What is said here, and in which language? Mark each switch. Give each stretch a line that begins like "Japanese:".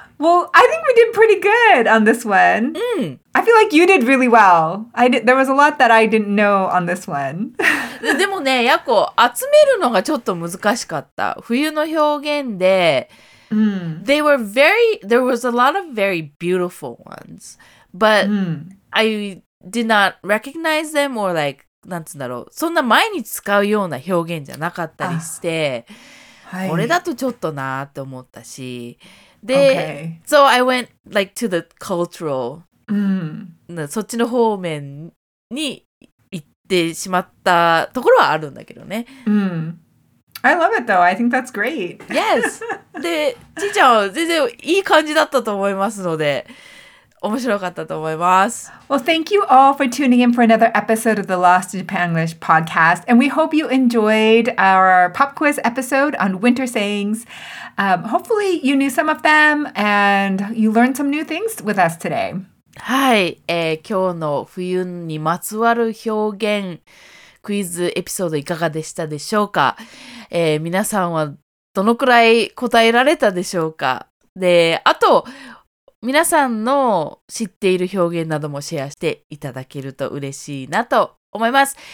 English: Well, I think we did pretty good on this one.、 Mm. I feel like you did really well. There was a lot that I didn't know on this one.
Japanese: でもね、やこ、集めるのがちょっと難しかった。冬の表現で、 mm.
English: There was a lot of very beautiful ones. But、mm. I did not recognize them or like,
Japanese: なんつうんだろう。そんな毎日使うような表現じゃなかったりして、これだとちょっとなって思ったし、で、
English: okay. So I went like to the cultural、 mm.
Japanese: そっちの方面に行ってしまったところはあるんだけどね、
English: mm. I love it though, I think that's great. Yes!
Japanese: で、ちーちゃんは全然いい感じだったと思いますので面白かったと思います。
English: Well, thank you all for tuning in for another episode of the Lost in Japanglish podcast. And we hope you enjoyed our pop quiz episode on winter sayings. Hopefully you knew some of them and you learned some new things with us today.
Japanese: はい、今日の冬にまつわる表現クイズエピソードいかがでしたでしょうか、皆さんはどのくらい答えられたでしょうか。で、あと皆さんの知っている表現などもシェアしていただけると嬉しいなと思います。